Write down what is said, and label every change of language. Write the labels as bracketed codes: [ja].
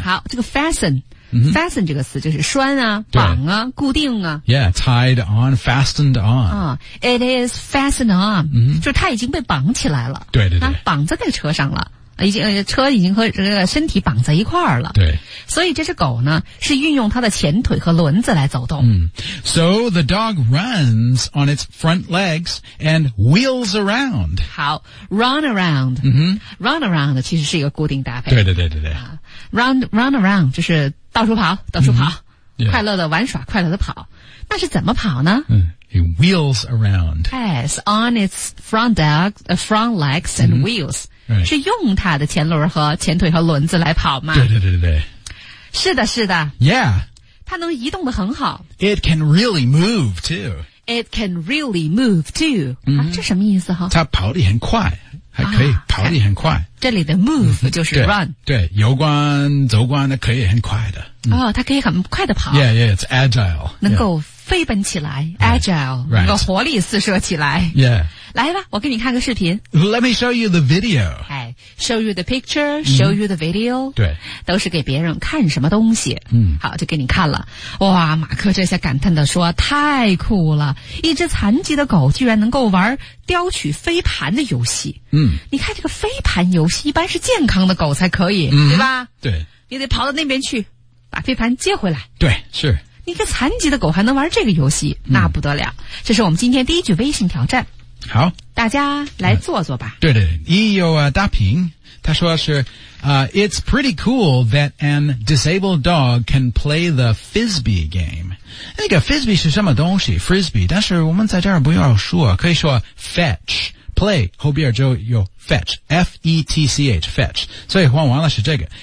[zh] 好，这个 fasten,、mm-hmm. fasten 这个词就是拴啊、绑啊、固定啊。 [en] Yeah, tied on, fastened on.、 It is fastened on.、 Mm-hmm. [zh] 就是它已经被绑起来了。对对对，绑在那个车上了，已经车已经和这个身体绑在一块儿了。对，所以这只狗呢，是运用它的前腿和轮子来走动。 [en] 嗯、So the dog runs on its front legs and wheels around. 好 ,run around.、 Mm-hmm. [zh] Run around 其实是一个固定搭配。对对对对对。 Run around 就是到处跑到处跑、 mm-hmm. yeah. 快乐的玩耍快乐的跑。那是怎么跑呢、 [en] It wheels around. Yes, on its front legs and、mm-hmm. wheels.、 Right. [zh] 是用它的前轮和前腿和轮子来跑吗？对对对对。是的是的。 [en] Yeah. [zh] 它能移动得很好。 [en] It can really move too. It can really move too.、 Mm-hmm. [zh] 啊、这什么意思哈？它跑得很快。还可以、啊、跑得很快。这里的 move 就是 run、嗯。对游关走关的可以很快的。嗯、哦它可以很快的跑。 [en] Yeah, yeah, it's agile. [zh] 能够飞奔起来、 [en] yeah. ,agile, right. [zh] 能够活力四射起来。 [en] Yeah. [zh] 来吧我给你看个视频。 [en] Let me show you the video. Hey, show you the picture, show you the video.、 [zh] 嗯、对。都是给别人看什么东西。嗯。好就给你看了。哇马克这下感叹的说太酷了。一只残疾的狗居然能够玩叼取飞盘的游戏。嗯。你看这个飞盘游戏一般是健康的狗才可以、嗯、对吧对。你得跑到那边去把飞盘接回来。对是。一个残疾的狗还能玩这个游戏、嗯、那不得了。这是我们今天第一句微信挑战。好。大家来做做吧。对对一有啊大平他说是 [en] It's pretty cool that an disabled dog can play the Frisbee game. [zh] 那个 Frisbee 是什么东西 ?Frisbee, 但是我们在这儿不要说可以说 fetch。 Play, 后边就有 fetch, F-E-T-C-H, fetch. 所以换完了是这个。